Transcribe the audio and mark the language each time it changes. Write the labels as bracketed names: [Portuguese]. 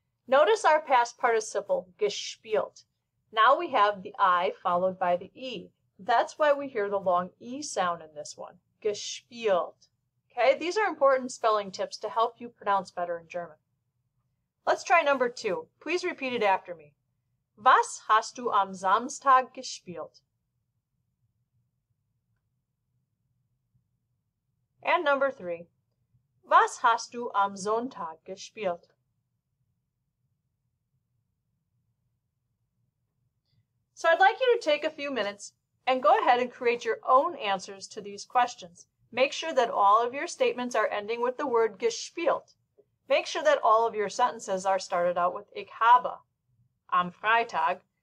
[English] Notice our past participle, gespielt. Now we have the I followed by the E. That's why we hear the long E sound in this one, gespielt. Okay, these are important spelling tips to help you pronounce better in German. Let's try number two. Please repeat it after me. [German] Was hast du am Samstag gespielt? [English] And number three. [German] Was hast du am Sonntag gespielt? [English] So I'd like you to take a few minutes and go ahead and create your own answers to these questions. Make sure that all of your statements are ending with the word gespielt. Make sure that all of your sentences are started out with [German] ich habe. Am Freitag,